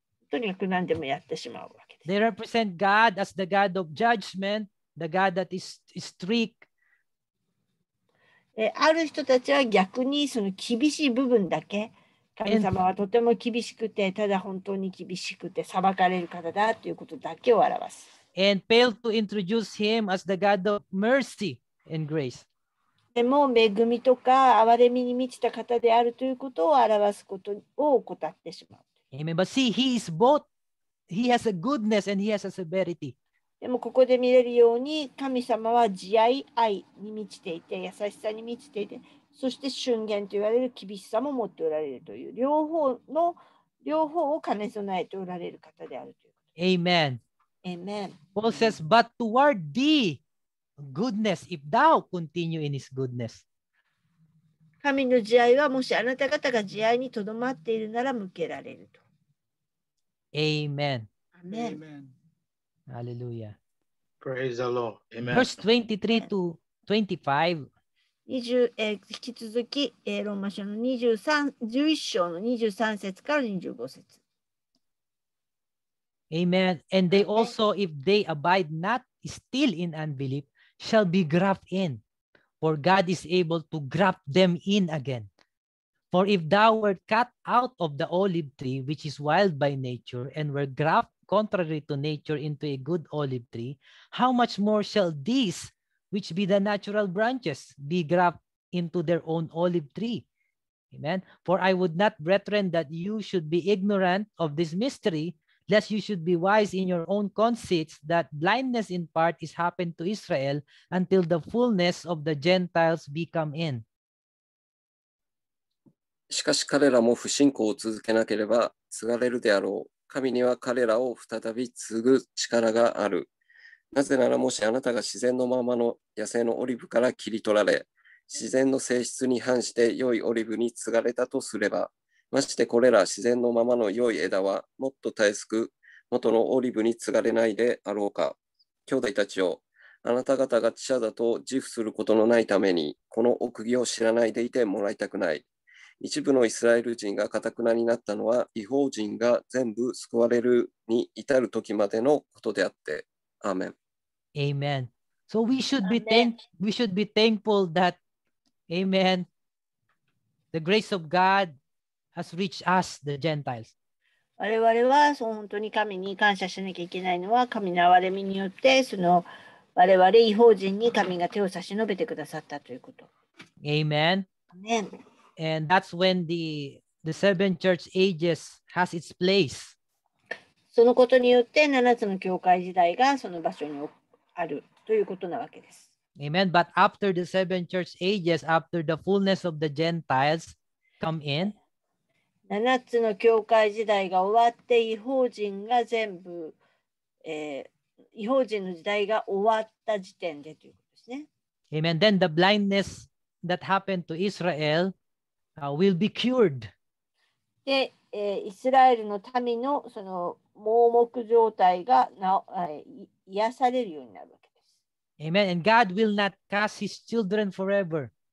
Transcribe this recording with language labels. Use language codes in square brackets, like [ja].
[ja] とにかく何でもやってしまうわけです。 [en] They represent God as the God of judgment, the God that is strict. [ja] ある人たちは逆にその厳しい部分だけ、神様はとても厳しくて、ただ本当に厳しくて裁かれる方だということだけを表す。 [en] And failed to introduce him as the God of mercy and grace. [ja] でも恵みとか憐れみに満ちた方であるということを表すことを怠ってしまう。 [en] Amen. But see, he is both. He has a goodness and he has a severity. [ja] でもここで見れるように神様は慈愛愛に満ちていて、優しさに満ちていて、そして瞬間と言われる厳しさも持っておられるという、両方を兼ね備えておられる方であるという。 [en] Amen. Amen. Paul says, but toward thee, goodness, if thou continue in his goodness. [ja] 神の慈愛はもしあなた方が慈愛にとどまっているなら向けられると。 [en] Amen. Amen. Hallelujah. Praise the Lord. Amen. Verse 23 to 25. [ja] 引き続き、ローマ書の11章の23節から25節。 [en] Amen. And they also, if they abide not still in unbelief, shall be grafted in. For God is able to graft them in again. For if thou wert cut out of the olive tree, which is wild by nature, and were grafted contrary to nature into a good olive tree, how much more shall these, which be the natural branches, be grafted into their own olive tree? Amen. For I would not, brethren, that you should be ignorant of this mystery, lest you should be wise in your own conceits, that blindness in part is happened to Israel until the fullness of the Gentiles be come in. [ja] しかし彼らも不信仰を続けなければ継がれるであろう。神には彼らを再び継ぐ力がある。なぜならもしあなたが自然のままの野生のオリブから切り取られ、自然の性質に反して良いオリブに継がれたとすれば、ましてこれら自然のままの良い枝はもっとたやすく元のオリブに継がれないであろうか。兄弟たちよ、あなた方が知者だと自負することのないためにこの奥義を知らないでいてもらいたくない。一部のイスラエル人が堅くなになったのは異邦人が全部救われるに至る時までのことであって。アーメン。 [en] Amen. So we should be thankful that, Amen, the grace of GodHas reached us, the Gentiles. [ja] 我々は本当に神に感謝しなきゃいけないのは、神の憐れみによってその我々異邦人に神が手を差し伸べてくださったということ。 [en] Amen. Amen. And that's when the seven church ages has its place. [ja] そのことによって7つの教会時代がその場所にあるということなわけです。 [en] Amen. But after the seven church ages, after the fullness of the Gentiles come in, [ja] 7つの教会時代が終わって、異邦人が全部、異邦人の時代が終わった時点でということですね。 [en] Amen. Then the blindness that happened to Israel, will be cured. [ja] で、イスラエルの民のその盲目状態が癒されるようになるわけです。 [en] Amen. And God will not cast his children forever.